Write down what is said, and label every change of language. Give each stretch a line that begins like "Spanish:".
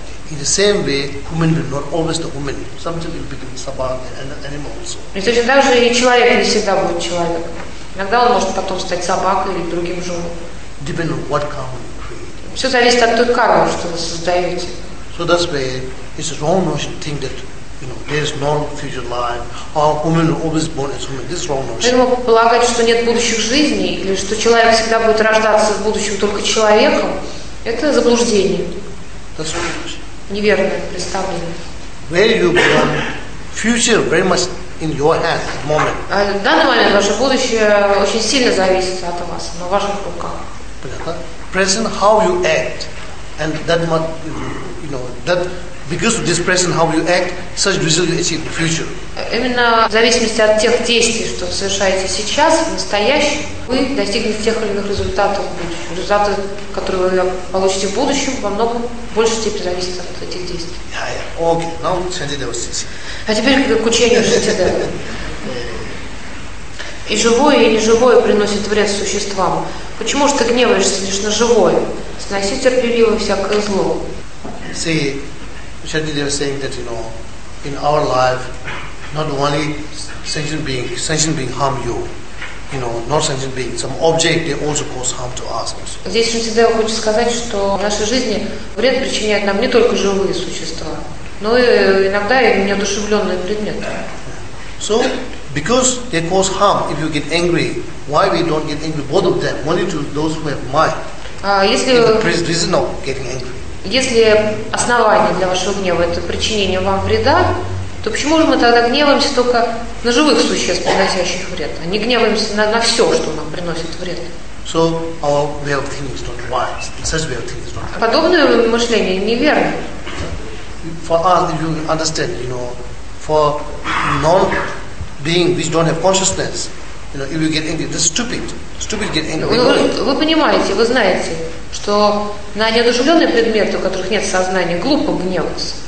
English: In the same way, human will not always the human. Sometimes it will become sabag and animal also.
Russian: И точно так же и человек не всегда будет человек. Иногда он может потом стать собакой или другим животным.
English: Depending on what karma you create.
Russian: Все зависит от той кармы, что вы создаете.
English: So that's where it's a wrong notion to think that, you know, there is no future life, or women are always born as women. This is wrong notion.
Russian: Поэтому полагать, что нет будущих жизней, или что человек всегда будет рождаться в будущем только человеком, это заблуждение.
English: That's wrong notion.
Russian: Неверное представление.
English: Where you born, future very much in your hands at the moment.
Russian: А в данный момент ваше будущее очень сильно зависит от вас, на ваших руках.
English: Present, how you act, and that much, you know, that because of this present, how you act, such result you achieve in the future.
Russian: Именно в зависимости от тех действий, что вы совершаете сейчас, в настоящем, вы достигнете тех или иных результатов в будущем. Результаты, которые вы получите в будущем, во многом больше степени зависят от этих действий.
English: Yeah. Okay. Now, Shantideva Sisi.
Russian: А теперь к учению Шантидевы. И живое, и неживое приносит вред существам. Почему же ты гневаешься лишь на живое? Сноси терпеливо всякое зло.
English: See, Shantideva saying that, you know, in our life, not only sentient being harm you, you know, not sentient being, some object, they also cause harm to us.
Russian: Здесь Шантидева хочет сказать, что в нашей жизни вред причиняет нам не только живые существа, но и иногда и неодушевленные предметы.
English: So, because they cause harm, if you get angry, why we don't get angry both of them, only to those who have mind?
Russian: Если
English: reason of getting angry.
Russian: Если основание для вашего гнева это причинение вам вреда, то почему же мы тогда гневаемся только на живых существ, приносящих вред, а не гневаемся на все, что нам приносит вред?
English: So our way of thinking is not wise. Such way of thinking is not wise.
Russian: Подобное мышление неверно.
English: For us, if you understand, you know, for non being which don't have consciousness, you know, if you get angry, that's stupid. Stupid get angry.
Russian: Вы понимаете, вы знаете, что на неодушевленные предметы, у которых нет сознания, глупо гневаться.